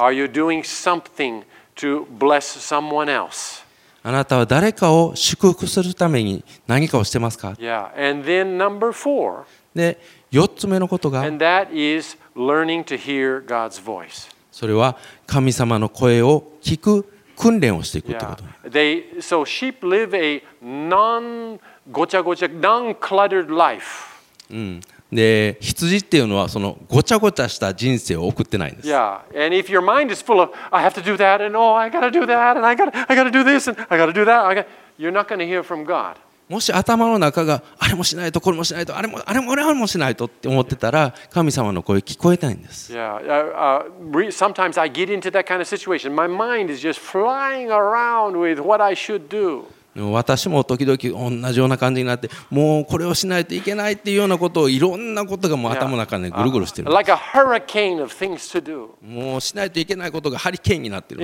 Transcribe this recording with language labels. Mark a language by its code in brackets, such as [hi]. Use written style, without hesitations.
[en] Yeah, are you doing something to bless someone else? [ja] あなたは誰かを祝福するために何かをしてますか? [en] Yeah, and then number four. [ja] で、四つ目のことが、 [en] and that is learning to hear God's voice. [ja] それは神様の声を聞く訓練をしていくってこと。 [en] Yeah, they so sheep live a non ごちゃごちゃ non cluttered life. [ja] うん。で羊っていうのはそのごちゃごちゃした人生を送ってないんです。 [en] Yeah, and if your mind is full of I have to do that and oh I gotta do that and I gotta do this and I gotta do that, you're not gonna hear from God. [ja] もし頭の中があれもしないとこれもしないとあれもしないとって思ってたら神様の声聞こえないんです。 [en] Yeah, sometimes I get into that kind of situation. My mind is just flying around with what I should do. [ja] 私も時々同じような感じになって、もうこれをしないといけないっていうようなことを、いろんなことがもう頭の中でぐるぐるしてる。 [en] Like a hurricane of things to do. [ja] もうしないといけないことがハリケーンになってる。